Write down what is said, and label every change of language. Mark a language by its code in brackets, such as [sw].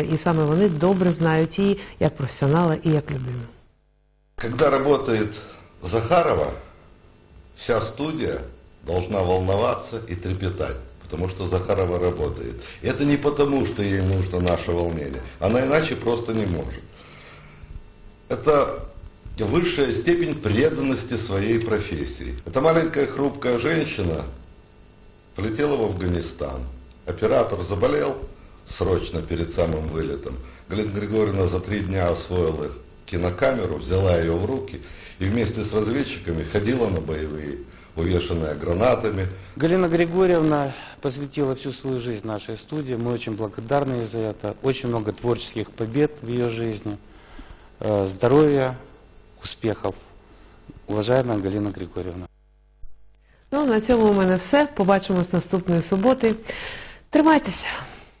[uk] І саме вони добре знають її як професіонала і як людину. Коли працює Захарова, вся студія повинна хвилюватися і трепетати, тому що Захарова працює. І це не тому, що їй потрібно наше хвилювання. Вона інакше просто не може. Це... [ru] высшая степень преданности своей профессии. Эта маленькая хрупкая женщина полетела в Афганистан. Оператор заболел срочно перед самым вылетом. Галина Григорьевна за 3 дня освоила кинокамеру, взяла ее в руки и вместе с разведчиками ходила на боевые, увешанная гранатами. Галина Григорьевна посвятила всю свою жизнь нашей студии. Мы очень благодарны за это. Очень много творческих побед в ее жизни. Здоровья. [uk] Успіхів, уважаємо Галина Григорівна. Ну, на цьому у мене все. Побачимось наступної суботи. Тримайтеся.